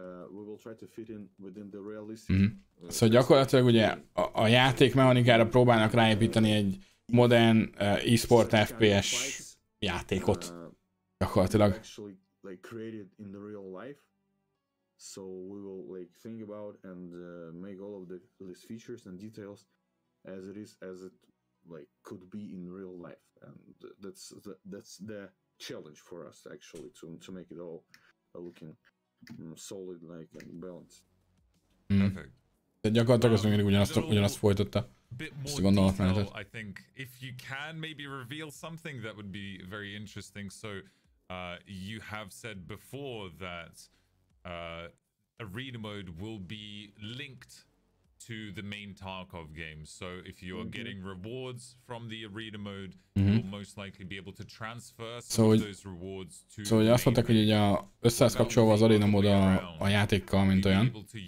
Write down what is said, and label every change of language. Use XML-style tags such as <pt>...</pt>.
<en>We will try to fit in within the realistic.</en> <hu>Szóval gyakorlatilag ugye a játék mechanikára próbálnak ráépíteni egy modern esport FPS játékot. Gyakorlatilag.</hu> <en>Like created in the real life, so we will like think about and make all of the these features and details as it is, as it like could be in real life, and that's the challenge for us actually to make it all looking solid like and balanced. Perfect.</en> <hu>Gyakorlatilag azt mondjuk, ugyanazt folytatta. Ezt a gondolatmenetet.</hu> <en>I think if you can maybe reveal something that would be very interesting, so. You have said before that arena mode will be linked to the main Tarkov game. So if you are getting rewards from the arena mode, you will most likely be able to transfer those rewards to.</en> <hu>So azt mondták, hogy ugye összekapcsolva az arena mód a játékkal, mint olyan.</hu>